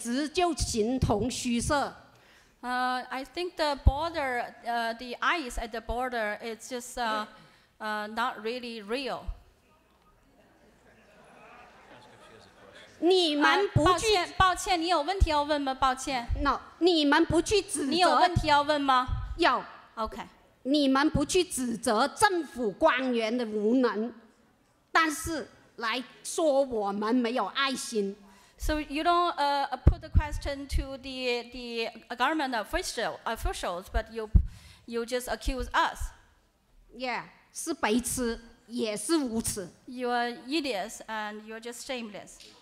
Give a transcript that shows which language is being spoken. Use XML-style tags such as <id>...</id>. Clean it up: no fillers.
<zh>我们的国家的边境线简直就形同虚设。</zh> <en>I think the border, the ice at the border, it's just not really real.</en> <zh>你们不去，抱歉，你有问题要问吗？抱歉。 No, 你们不去指责。你有问题要问吗？有。</zh> <en>OK.</en> <zh>你们不去指责政府官员的无能，但是。来说我们没有爱心。So</zh> <en>you don't put the question to the government officials, but you just accuse us.</en> <zh>Yeah, 是白痴，也是无耻。You</zh> <en>are idiots and you're just shameless.</en>